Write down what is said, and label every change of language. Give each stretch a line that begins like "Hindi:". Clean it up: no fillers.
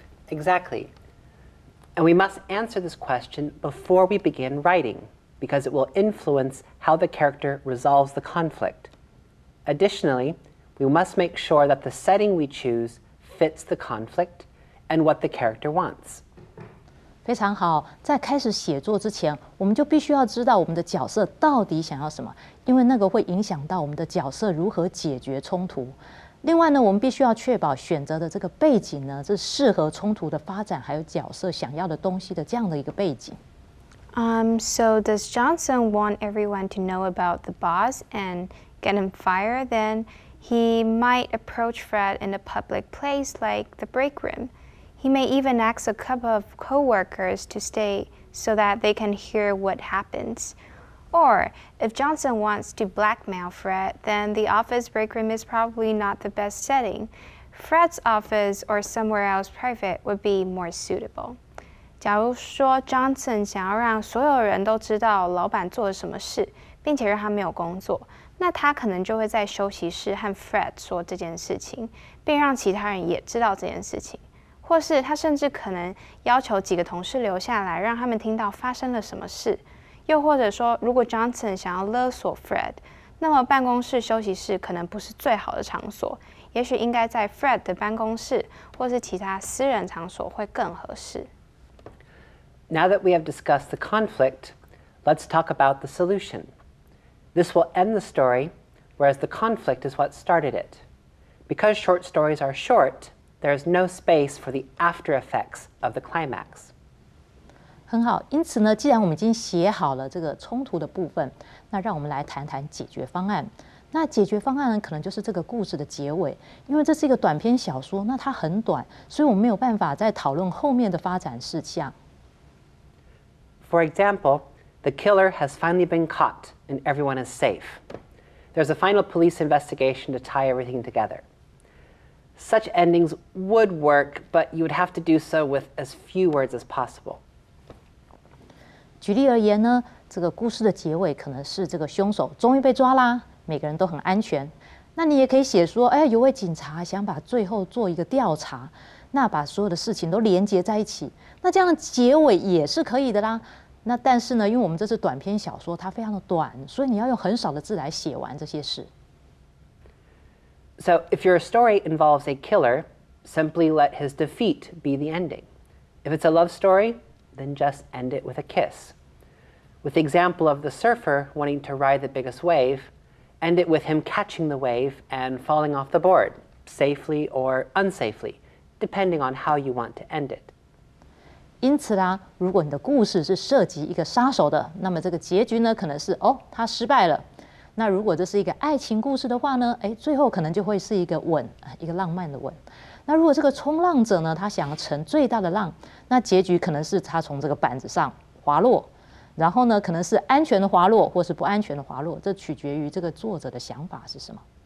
English: Exactly, and we must answer this question before we begin writing, because it will influence how the character resolves the conflict. Additionally, we must make sure that the setting we choose fits the conflict and what the character wants.
Chinese: 非常好，在开始写作之前，我们就必须要知道我们的角色到底想要什么，因为那个会影响到我们的角色如何解决冲突。另外呢，我们必须要确保选择的这个背景呢，是适合冲突的发展，还有角色想要的东西的这样的一个背景。
English: So does Johnson want everyone to know about the boss and... get him fired, then he might approach Fred in a public place like the break room. He may even ask a couple of co-workers to stay so that they can hear what happens. Or if Johnson wants to blackmail Fred, then the office break room is probably not the best setting. Fred's office or somewhere else private would be more suitable.
Chinese: 假如说 Johnson 想要让所有人都知道老板做了什么事，并且让他没有工作，那他可能就会在休息室和 Fred 说这件事情，并让其他人也知道这件事情，或是他甚至可能要求几个同事留下来，让他们听到发生了什么事。又或者说，如果 Johnson 想要勒索 Fred， 那么办公室休息室可能不是最好的场所，也许应该在 Fred 的办公室或是其他私人场所会更合适。
English: Now that we have discussed the conflict, let's talk about the solution. This will end the story, whereas the conflict is what started it. Because short stories are short, there is no space for the after effects of the climax.
Chinese: 很好，因此呢，既然我们已经写好了这个冲突的部分，那让我们来谈谈解决方案。那解决方案呢，可能就是这个故事的结尾，因为这是一个短篇小说，那它很短，所以我们没有办法再讨论后面的发展事项。
English: For example,The killer has finally been caught, and everyone is safe. There's a final police investigation to tie everything together. Such endings would work, but you would have to do so with as few words as possible.
Chinese: 举例而言呢，这个故事的结尾可能是这个凶手终于被抓啦，每个人都很安全。那你也可以写说，哎，有位警察想把最后做一个调查。那把所有的事情都连接在一起，那这样结尾也是可以的啦。那但是呢，因为我们这是短篇小说，它非常的短，所以你要用很少的字来写完这些事。
English: So if your story involves a killer, simply let his defeat be the ending. If it's a love story, then just end it with a kiss. With the example of the surfer wanting to ride the biggest wave, end it with him catching the wave and falling off the board, safely or unsafely, depending on how you want to end it.
Chinese: 因此啦，如果你的故事是涉及一个杀手的，那么这个结局呢，可能是哦，他失败了。那如果这是一个爱情故事的话呢，哎，最后可能就会是一个吻，一个浪漫的吻。那如果这个冲浪者呢，他想要乘最大的浪，那结局可能是他从这个板子上滑落，然后呢，可能是安全的滑落，或是不安全的滑落，这取决于这个作者的想法是什么。